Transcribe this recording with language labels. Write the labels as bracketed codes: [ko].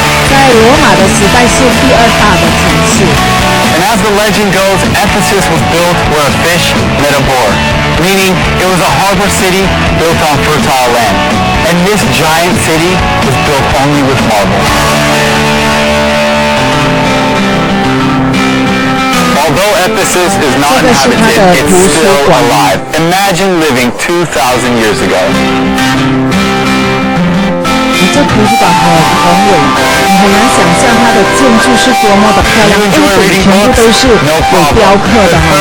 [zh] 在罗马的时代是第二大的城市。 [en] And as the legend goes, Ephesus was built where a fish met a boar, meaning it was a harbor city built on fertile land. And this giant city was built only with marble. Although Ephesus is not inhabited, it's still alive. Imagine living 2,000 years ago. [zh] 这图书馆很伟大，你很难想象它的建筑是多么的漂亮，屋顶全部都是有雕刻的哈。